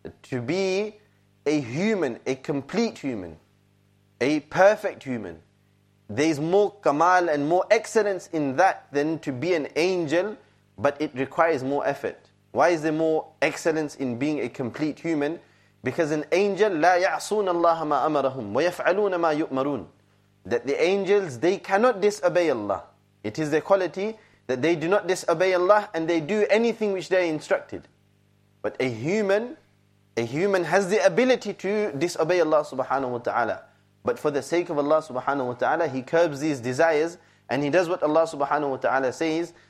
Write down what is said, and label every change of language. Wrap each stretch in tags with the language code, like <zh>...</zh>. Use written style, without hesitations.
<en>To be a human, a complete human, a perfect human, there is more kamal and more excellence in that than to be an angel, but it requires more effort. Why is there more excellence in being a complete human? Because an angel,</en> <ar>لا يعصون الله ما أمرهم ويفعلون ما يؤمرون.</ar> <en>That the angels, they cannot disobey Allah. It is their quality that they do not disobey Allah and they do anything which they are instructed. But a human has the ability to disobey Allah subhanahu wa ta'ala. But for the sake of Allah subhanahu wa ta'ala, he curbs these desires and he does what Allah subhanahu wa ta'ala says.</en>